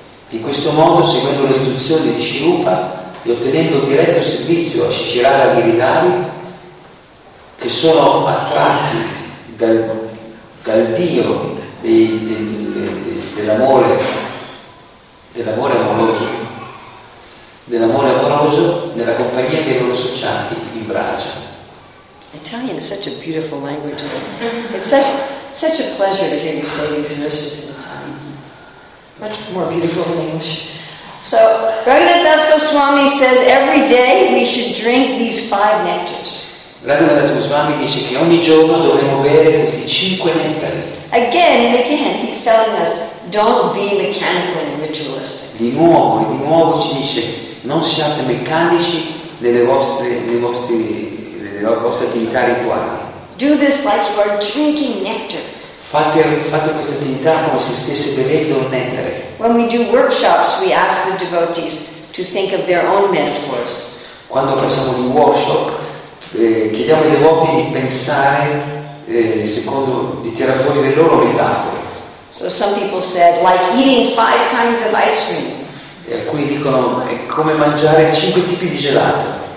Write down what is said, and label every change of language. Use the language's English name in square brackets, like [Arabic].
[Italian] In questo modo, seguendo le istruzioni di Sri Rupa e ottenendo diretto servizio a Shishirada Giridhari, che sono attratti dal Dio dell'amore, dell'amore amoroso, dell'amore amoroso nella compagnia dei loro associati in Vraja. [English] Italian is such a beautiful language. It's such a pleasure to hear you say these verses in Italian. Much more beautiful than English. So, Raghunath Das Goswami says every day we should drink these five nectars. [Italian] Raghunath Das Goswami dice che ogni giorno dovremmo bere questi cinque nettari. [English] Again and again, he's telling us, don't be mechanical and ritualistic. [Italian] Di nuovo ci dice, non siate meccanici nelle vostre attività rituali. [English] Do this like you are drinking nectar. [Italian] Fate questa attività come se stesse bevendo un nettare. [English] When we do workshops, we ask the devotees to think of their own metaphors. [Italian] Quando facciamo un workshop, chiediamo ai devoti di pensare secondo di tirar fuori le loro metafore. [English] So some people said, like eating five kinds of ice cream. [Italian] E alcuni dicono è come mangiare cinque tipi di gelato.